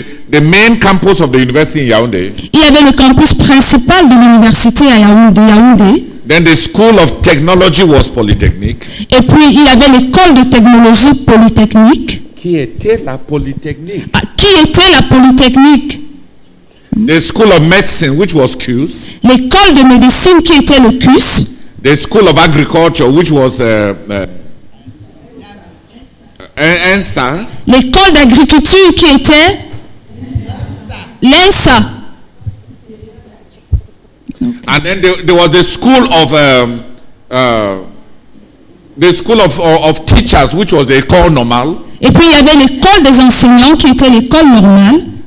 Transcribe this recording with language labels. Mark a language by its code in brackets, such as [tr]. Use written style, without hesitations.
[en] The main campus of the university in Yaoundé. [fr] Il y avait le campus principal de l'université à Yaoundé. [en] Then the school of technology was polytechnic. [fr] Et puis il y avait l'école de technologie polytechnique. Qui était la polytechnique? Qui était la polytechnique? [en] The school of medicine, which was CUS. [fr] L'école de médecine qui était le CUS. [en] The school of agriculture, which was [fr] un ça. L'école d'agriculture qui était l'ENSA. [en] Okay. And then there was the school of the school of teachers, which was the école normale. [fr] Et puis il y avait l'école des enseignants qui était l'école normale.